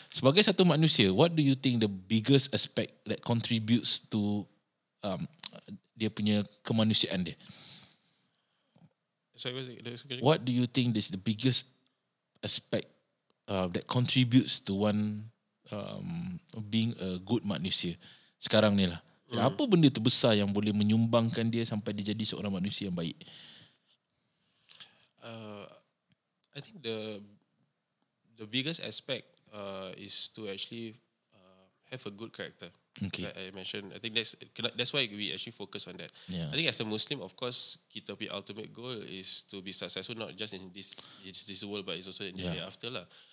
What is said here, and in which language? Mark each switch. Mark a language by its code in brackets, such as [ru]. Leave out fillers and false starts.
[ms] Sebagai satu manusia, [en] what do you think the biggest aspect that contributes to [ms] dia punya kemanusiaan dia? [en] So, what do you think is the biggest aspect that contributes to one being a good [ms] manusia sekarang ni lah? Apa benda terbesar yang boleh menyumbangkan dia sampai dia jadi seorang manusia yang baik? [en] I think the biggest aspect is to actually have a good character. Okay. Like I mentioned, I think that's why we actually focus on that. Yeah. I think as a Muslim, of course, [ms] kita punya [en] ultimate goal is to be successful, not just in this world, but it's also in the hereafter lah.